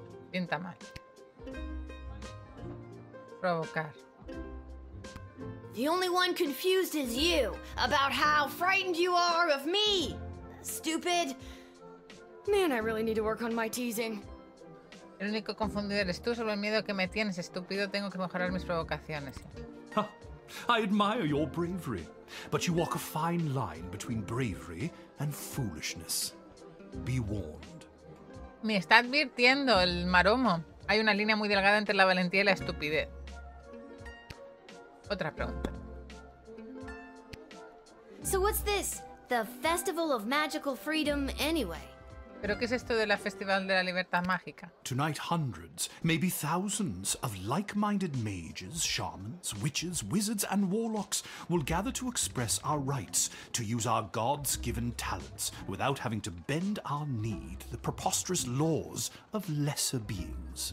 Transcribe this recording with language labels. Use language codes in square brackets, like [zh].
[es] Pinta mal. Provocar. [en] The only one confused is you, about how frightened you are of me, stupid. Man, I really need to work on my teasing. [es] El único confundido eres tú, solo el miedo que me tienes, estúpido. Tengo que mejorar mis provocaciones. [en] I admire your bravery, but you walk a fine line between bravery and foolishness. Be warned. [es] Me está advirtiendo el maromo. Hay una línea muy delgada entre la valentía y la estupidez. Otra pregunta. [en] So what's this? The Festival of Magical Freedom anyway? [es] ¿Pero qué es esto de la Festival de la Libertad Mágica? [en] Tonight hundreds, maybe thousands of like-minded mages, shamans, witches, wizards and warlocks will gather to express our rights to use our God-given talents without having to bend our knee to the preposterous laws of lesser beings.